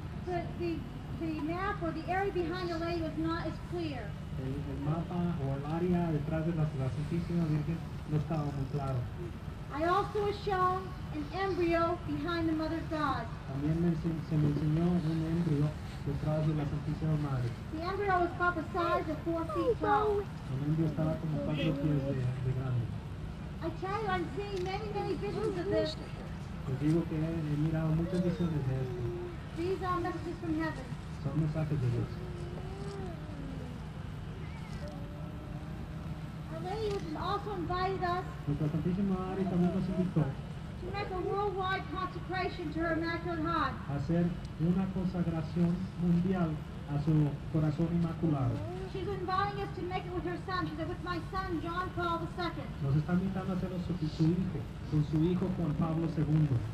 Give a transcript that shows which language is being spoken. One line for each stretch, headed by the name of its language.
Spanish: El mapa o el área detrás de la Santísima Virgen no estaba muy claro.
English: I also was shown an embryo behind the Mother of God.
Spanish: También se me enseñó un embrio detrás de la Santísima Madre.
English: The embryo was about the size of 4 feet tall.
Spanish: El embrio estaba como 4 pies de grande.
English: I tell you, I'm seeing many, many visions of this.
Spanish: Pues digo que he mirado muchas visiones de esto.
English: These are messages from heaven.
Spanish: Son mensajes de Dios. Nuestra Santísima Madre también nos invitó a hacer una consagración mundial a su corazón inmaculado.
English: She's inviting us to make it with her son. She said, with my son, John Paul II.
Spanish: Nos está invitando a hacerlo con su hijo Juan Pablo II.